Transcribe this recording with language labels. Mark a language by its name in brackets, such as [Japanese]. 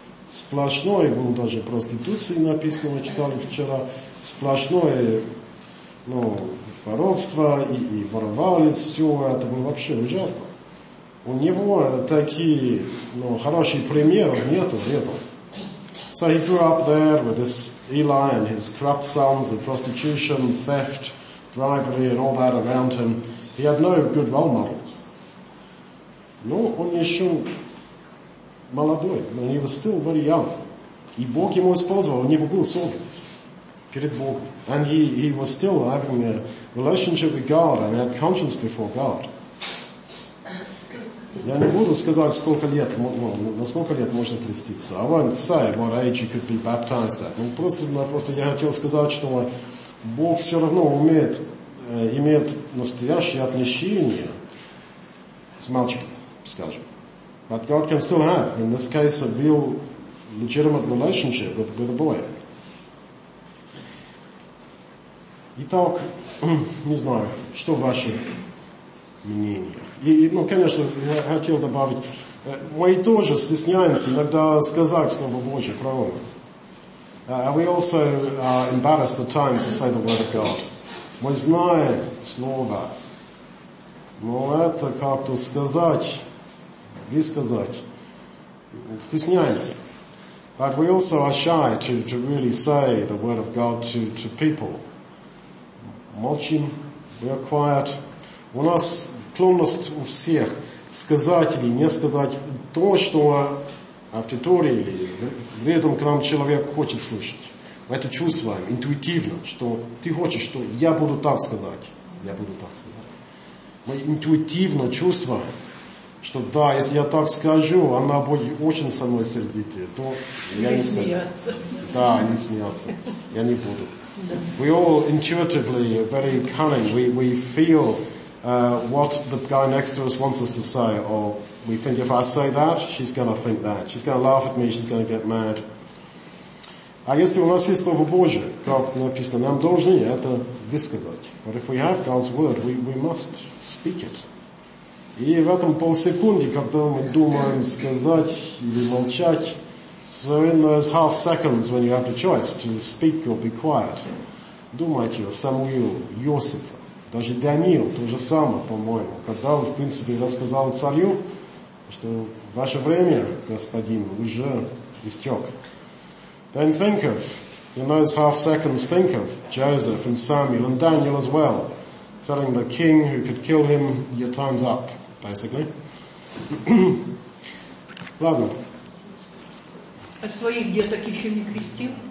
[Russian] Сплошное, было даже проституции написано, мы читали вчера, сплошное, воровство, и воровали все, это было вообще ужасно. У него такие, хорошие примеры нету, нету. [English] So he grew up there with this Eli and his corrupt sons, the prostitution, theft, bribery and all that around him. He had no good role models. [Russian] Но он еще молодой, но [English] he was still very young. [Russian] И Бог ему использовал, у него был совесть перед Богом. [English] And he was still having a relationship with God and had conscience before God. [Russian] Я не буду сказать, сколько лет, на сколько лет можно креститься. [English] I won't say what age you could be baptized at. [Russian] Ну, просто я хотел сказать, что Бог все равно имеет настоящее отношение с мальчиком, скажем. [English] But God can still have, in this case, a real legitimate relationship with a boy. [Russian] Итак, не знаю, что ваше мнение? И, конечно, я хотел добавить, мы тоже стесняемся иногда сказать Слово Божие правильно. [English] We also are embarrassed at times to say the Word of God. [Russian] Мы знаем Слово, но это как-то сказать, высказать, стесняемся. [English] But we also are shy to really say the Word of God to people. [Russian] молчим, [English] we are quiet. [Russian] У нас склонность у всех сказать или не сказать то, что в аудитории или в этом к нам человек хочет слышать. Мы это чувствуем интуитивно, что ты хочешь, что я буду так сказать. Я буду так сказать. Мы интуитивно чувствуем, что да, если я так скажу, она будет очень со мной сердитая, то я не смеяться. Да, не смеяться. Я не буду. [English] We all intuitively are very cunning. We feel what the guy next to us wants us to say, or we think if I say that, she's going to think that. She's going to laugh at me, she's going to get mad. [Russian] А если у нас есть Слово Божие, как написано, нам должны это высказать. [English] But if we have God's word, we must speak it. [Russian] И в этом полсекунде, когда мы думаем сказать или молчать, [English] so in those half seconds when you have the choice to speak or be quiet, [Russian] думайте о Самуиле, Иосифе, даже Даниил, то же самое, по-моему, когда он, в принципе, рассказал царю, что ваше время, господин, уже истек. [English] Then think of, in those half seconds, think of Joseph and Samuel and Daniel as well, telling the king who could kill him, your time's up, basically. [Russian] Ладно. А своих деток еще не крестил?